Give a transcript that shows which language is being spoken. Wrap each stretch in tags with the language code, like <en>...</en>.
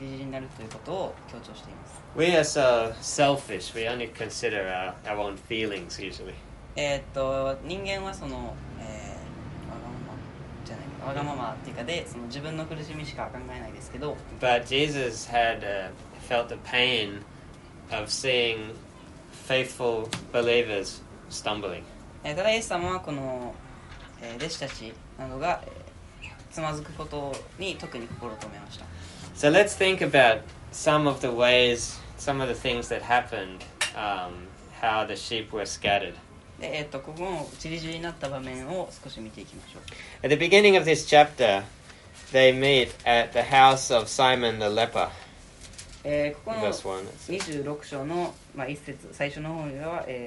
<ja>羊の群れが散り散りになるということを強調しています。</ja> <en>We are so selfish. We only consider our own feelings usually.</en> <ja>人間はその、わがままじゃないか、わがままっていうかで、その自分の苦しみしか考えないですけど。</ja> <en>But Jesus had felt the pain of seeing faithful believers stumbling.</en> <ja>ただイエス様はこの、弟子たちなどが、つまずくことに特に心を込めました。</ja> <en>So let's think about some of the ways, some of the things that happened, how the sheep were scattered.</en> <ja>で、ここも散り散りになった場面を少し見ていきましょう。</ja> <en>At the beginning of this chapter, they meet at the house of Simon the leper.</en> <ja>ここの26章の、まあ、一節、最初の方では、</ja>